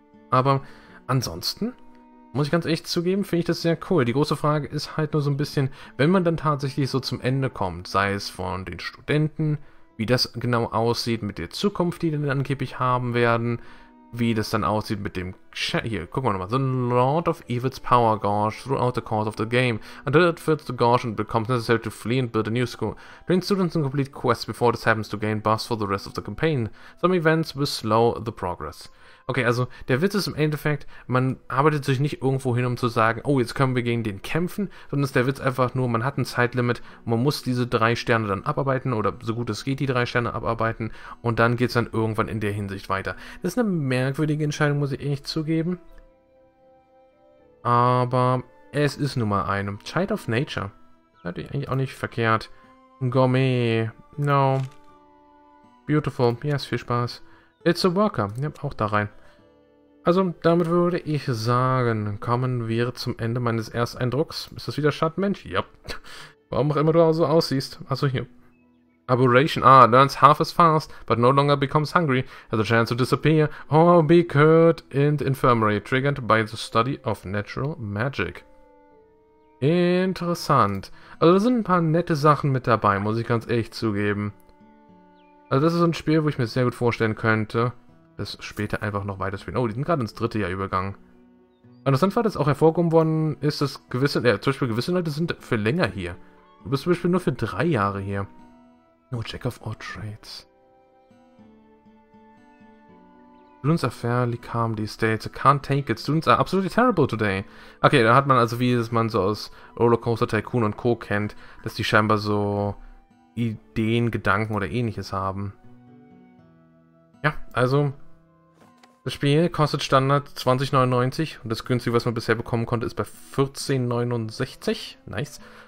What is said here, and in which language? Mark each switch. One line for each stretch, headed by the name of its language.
German: Aber ansonsten, muss ich ganz ehrlich zugeben, finde ich das sehr cool. Die große Frage ist halt nur so ein bisschen, wenn man dann tatsächlich so zum Ende kommt, sei es von den Studenten, wie das genau aussieht mit der Zukunft, die dann angeblich haben werden, wie das dann aussieht mit dem. Hier, gucken wir nochmal.
English: The Lord of Evil's Power Gorge throughout the course of the game. Until it fills the gorge and becomes necessary to flee and build a new school. Train students and complete quests before this happens to gain buffs for the rest of the campaign. Some events will slow the progress.
German: Okay, also der Witz ist im Endeffekt, man arbeitet sich nicht irgendwo hin, um zu sagen, oh, jetzt können wir gegen den kämpfen, sondern ist der Witz einfach nur, man hat ein Zeitlimit, und man muss diese drei Sterne dann abarbeiten oder so gut es geht die drei Sterne abarbeiten und dann geht es dann irgendwann in der Hinsicht weiter. Das ist eine merkwürdige Entscheidung, muss ich ehrlich zugeben. Aber es ist nun mal eine.
English: Child of Nature.
German: Hätte ich eigentlich auch nicht verkehrt. Gourmet. No. Beautiful. Yes, viel Spaß.
English: It's a worker.
German: Ja, auch da rein. Also, damit würde ich sagen, kommen wir zum Ende meines Ersteindrucks. Ist das wieder Schattenmensch? Ja. Yep. Warum auch immer du auch so aussiehst. Also hier. Aberration.
English: Ah, learns half as fast, but no longer becomes hungry, has a chance to disappear, or be cured in the infirmary, triggered by the study of natural magic.
German: Interessant. Also, da sind ein paar nette Sachen mit dabei, muss ich ganz ehrlich zugeben. Also das ist so ein Spiel, wo ich mir sehr gut vorstellen könnte, das später einfach noch weiterspielen. Oh, die sind gerade ins dritte Jahr übergangen. Interessant war, dass auch hervorgehoben worden ist, dass zum Beispiel gewisse Leute sind für länger hier. Du bist zum Beispiel nur für 3 Jahre hier.
English: No Jack of all trades. Students are fairly calm these days. I can't take it. Students are absolutely terrible today.
German: Okay, da hat man also, wie es man so aus Rollercoaster Tycoon und Co. kennt, dass die scheinbar so Ideen, Gedanken oder ähnliches haben. Ja, also, das Spiel kostet Standard 20,99 und das günstige, was man bisher bekommen konnte, ist bei 14,69. Nice.